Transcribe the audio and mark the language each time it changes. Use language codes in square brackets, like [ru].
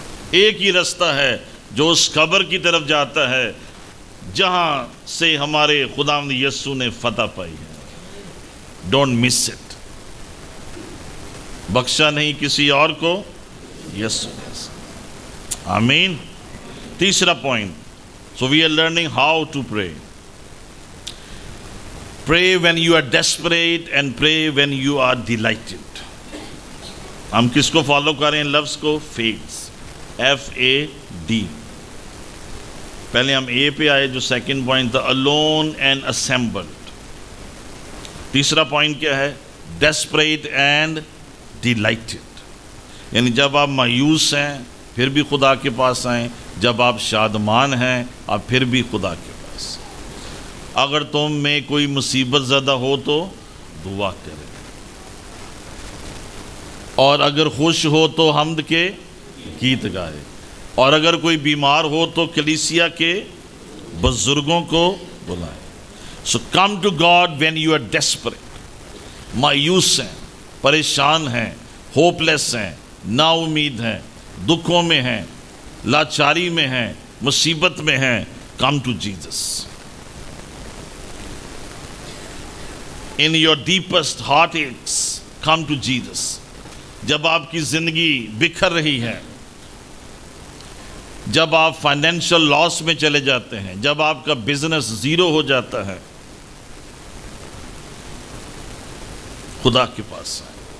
[ur] ایک ہی رستہ ہے جو اس قبر کی طرف جاتا ہے جہاں سے ہمارے خداوند یسوع نے فتح پائی ہے. [en] Don't miss it. [ur] بخشا نہیں کسی اور کو, یسوع نے. آمین. تیسرا point, [en] So we are learning how to pray. Pray when you are desperate and pray when you are delighted. [ur] ہم کس کو فالو کر رہے ہیں لفظ کو؟ faith. [en] FAD. [ur] پہلے ہم A پہ آئے جو سیکنڈ پوائنٹ تھا, [en] alone and assembled. [ur] تیسرا پوائنٹ کیا ہے؟ [en] desperate and delighted. [ur] یعنی جب آپ مایوس ہیں پھر بھی خدا کے پاس آئیں, جب آپ شادمان ہیں آپ پھر بھی خدا کے. اگر تم میں کوئی مصیبت زدہ ہو تو دعا کرے, اور اگر خوش ہو تو حمد کے گیت گائے, اور اگر کوئی بیمار ہو تو کلیسیا کے بزرگوں کو بلائے. [en] So come to God when you are desperate. [ur] مایوس ہیں, پریشان ہیں, ہوپ لیس ہیں, نا امید ہیں, دکھوں میں ہیں, لاچاری میں ہیں, مصیبت میں ہیں, [en] Come to Jesus. In your deepest heartaches, come to Jesus. [ur] جب آپ کی زندگی بکھر رہی ہے, جب آپ [en] financial loss [ur] میں چلے جاتے ہیں, جب آپ کا بزنس زیرو ہو جاتا ہے, خدا کے پاس آئے.